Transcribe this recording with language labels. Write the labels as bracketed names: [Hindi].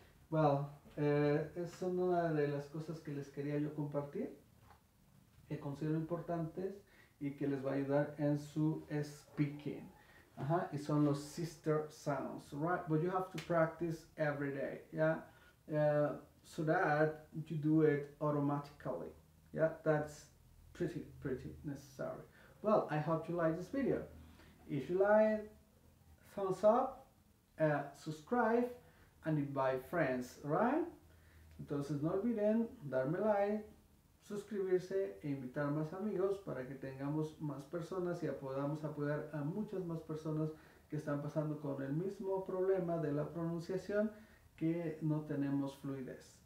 [Spanish] Well, es una de las cosas que les quería yo compartir, que considero importantes y que les va a ayudar en su speaking. Ajá, y son los sister sounds, right? [English] But you have to practice every day, yeah? So that you do it automatically, yeah? That's pretty, pretty necessary. Well, I hope you like this video. If you like, thumbs up, subscribe, and invite friends, right? [Spanish] Entonces, no olviden darme like, suscribirse e invitar más amigos para que tengamos más personas y podamos apoyar a muchas más personas que están pasando con el mismo problema de la pronunciación, que no tenemos fluidez.